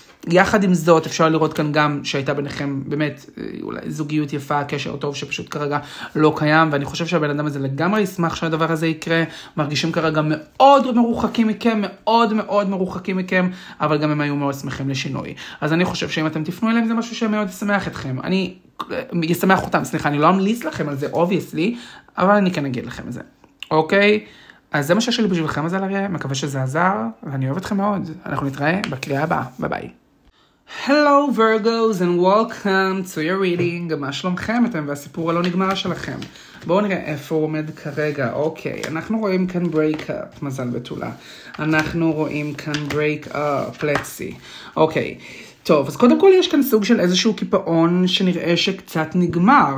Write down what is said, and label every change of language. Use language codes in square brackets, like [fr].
[he] יחד עם זאת, אפשר לראות כאן גם שהייתה ביניכם, באמת, אולי זוגיות יפה, קשר טוב שפשוט כרגע לא קיים, ואני חושב שהבן אדם הזה לגמרי ישמח שהדבר הזה יקרה, מרגישים כרגע מאוד מרוחקים מכם, מאוד מאוד מרוחקים מכם, אבל גם הם היו מאוד שמחים לשינוי. אז אני חושב שאם אתם תפנו אליהם, זה משהו שמאוד ישמח אתכם. אני ישמח אותם, סליחה, אני לא אמליץ לכם על זה, obviously, אבל אני כן אגיד לכם את זה. אוקיי? אז זה מה שיש לי בשבילכם, אז אני מקווה שזה עזר, ואני אוהב אתכם מאוד. אנחנו נתראה בקריאה הבאה. ביי. [en] Hello Virgos and welcome to your reading. [he] מה שלומכם אתם והסיפור הלא נגמר שלכם? בואו נראה איפה הוא עומד כרגע. אוקיי, אנחנו רואים כאן break-up, מזל בתולה. אנחנו רואים כאן break-up, [en] let's see. [he] אוקיי, טוב, אז קודם כל יש כאן סוג של איזשהו כיפאון שנראה שקצת נגמר.